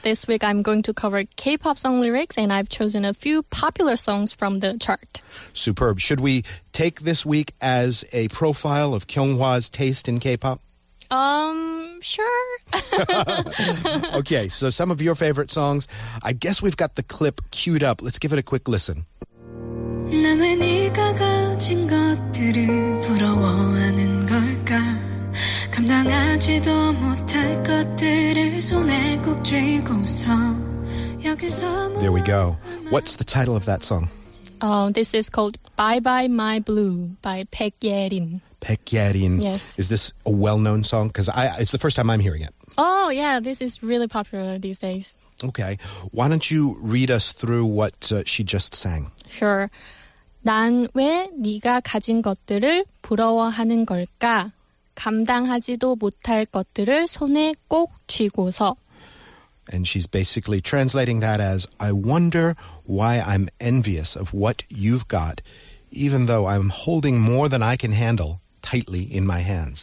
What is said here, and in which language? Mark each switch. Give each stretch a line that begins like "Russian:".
English: This week I'm going to cover K-pop song lyrics and I've chosen a few popular songs from the chart. Superb. Should we take this week as a profile of Kyung-hwa's taste in K-pop? Sure. Okay, so some of your favorite songs. I guess we've got the clip queued up. Let's give it a quick listen.
Korean: 남의 네가 가진 것들을 부러워하는 걸까? 감당하지도 못할 것들을 손에 꼭 쥐고서 여기서
English: There we go. What's the title of that song? Oh, this is called Bye Bye My Blue by Baek Ye-rin. Baek Ye-rin. Yes. Is this a well-known song? Because it's the first time I'm hearing it. Oh, yeah. This is really popular these days. Okay. Why don't you read us through what she just sang? Sure.
Korean: 난 왜 네가 가진 것들을 부러워하는 걸까? 감당하지도 못할 것들을 손에 꼭 쥐고서.
English: And she's basically translating that as, I wonder why I'm envious of what you've got, even though I'm holding more than I can handle tightly in my hands.